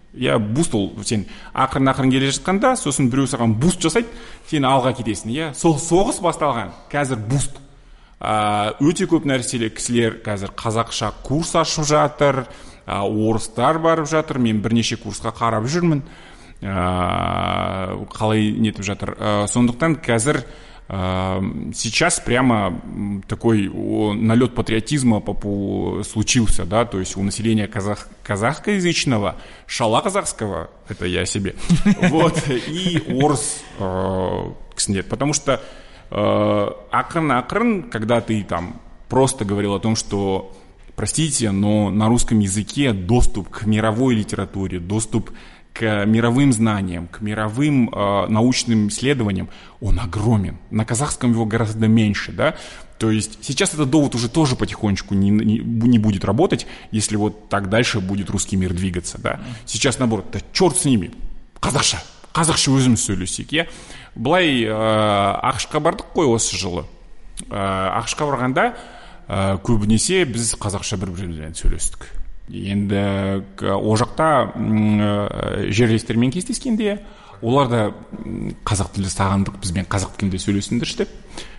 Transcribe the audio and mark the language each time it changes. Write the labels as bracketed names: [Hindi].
[Kazakh] Иә, буст ол, сен ақырын-ақырын келе жатқанда, сосын біреу саған буст жасайды, сен алға кетесің. Иә, сол соғыс басталған, қазір буст. Өте көп нәрселер, кісілер қазір қазақша курс ашып жатыр, орыстар барып жатыр, мен бірнеше курсқа қарап жүрмін, қалай нетіп жатыр. Сондықтан қазір [Russian] сейчас прямо такой налет патриотизма случился, да, то есть у населения казахскоязычного, шала казахского, это я себе, вот, и [Kazakh] орыс кісінде, [Russian] потому что ақырын-ақырын, когда ты там просто говорил о том, что простите, но на русском языке доступ к мировой литературе, доступ к мировым знаниям, к мировым научным исследованиям, он огромен. На казахском его гораздо меньше, да? То есть сейчас этот довод уже тоже потихонечку не будет работать, если вот так дальше будет русский мир двигаться, да? Сейчас наоборот, да черт с ними, [Kazakh] казахша, казахша өзім сөйлесек, [Russian] я? [Kazakh] Былай ақшқа бардық қой осы жылы. Ақшқа барғанда көбінесе біз қазақша бір-бірімізбен сөйлестік. Енді о жақта жерлестермен кездескенде, олар да қазақ тілді сағындық, бізбен қазақ тілінде сөйлесіңдерші деп.